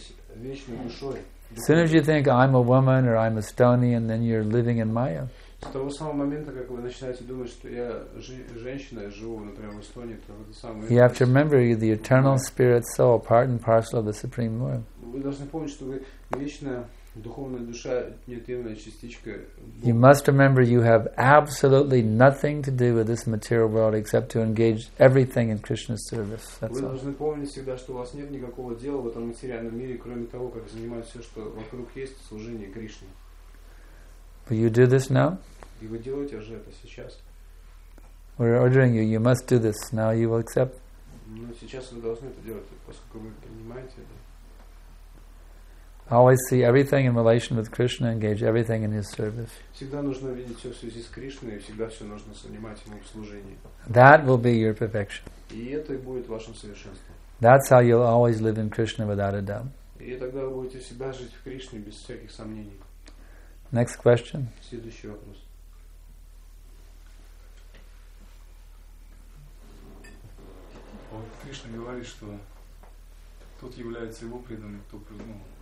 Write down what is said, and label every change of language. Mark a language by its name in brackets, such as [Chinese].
[English] As soon as you think I'm a woman or I'm Estonian, then you're living in Maya. [Russian] С того самого момента, как вы начинаете думать, что я женщина, я живу, например, в Эстонии, то это самое. [English] You have to remember you're the eternal spirit soul, part and parcel of the Supreme Lord. [Russian] Вы должны помнить, что вы вечная духовная душа, неотъемлемая частичка. [English] You must remember you have absolutely nothing to do with this material world except to engage everything in Krishna's service. [Russian] Вы должны помнить всегда, что у вас нет никакого дела в этом материальном мире, кроме того, как занимать все, что вокруг есть, служение Кришне. [English] But you do this now? [Russian] И вы делаете уже это сейчас? [English] We're ordering you. You must do this now. You will accept. [Russian] Ну сейчас вы должны это делать, поскольку вы принимаете это. [English] Always see everything in relation with Krishna, engage everything in his service. [Russian] Всегда нужно видеть все в связи с Кришной, и всегда все нужно занимать ему в служении. [English] That will be your perfection. [Russian] И это будет вашим совершенством. [English] That's how you'll always live in Krishna without a doubt. [Russian] И тогда вы будете всегда жить в Кришне без всяких сомнений. [English] Next question. [Russian] Следующий вопрос. Вот Кришна говорит, что тот является его преданным, кто преданным.